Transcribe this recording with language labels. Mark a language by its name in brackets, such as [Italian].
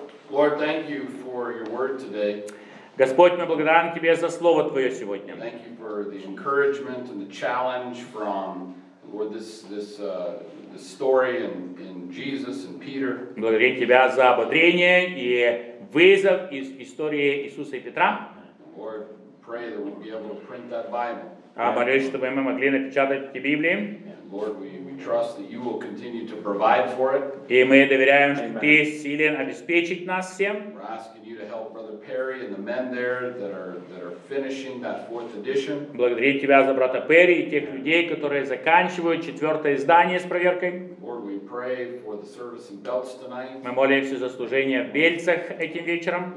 [English] Lord, thank you for your word today. [Russian] Господь, мы благодарим тебе за слово твое сегодня. [English] Thank you for the encouragement and the challenge from Lord, this story in Jesus and Peter. [Russian] Благодарим тебя за ободрение и вызов из истории Иисуса и Петра. [English] Lord, pray that we'll be able to print that Bible. [Russian] Молюсь, чтобы мы могли напечатать эти Библии. [English] Lord, we trust that you will continue to provide for it. [Russian] И мы доверяем, что ты силен обеспечить нас всем. [English] We're asking you to help Brother Perry and the men there that are finishing that fourth edition. [Russian] Благодарить тебя за брата Перри и тех людей, которые заканчивают четвертое издание с проверкой. [English] Lord, we pray for the service in Belts tonight. [Russian] Мы молимся за служение в Бельцах этим вечером.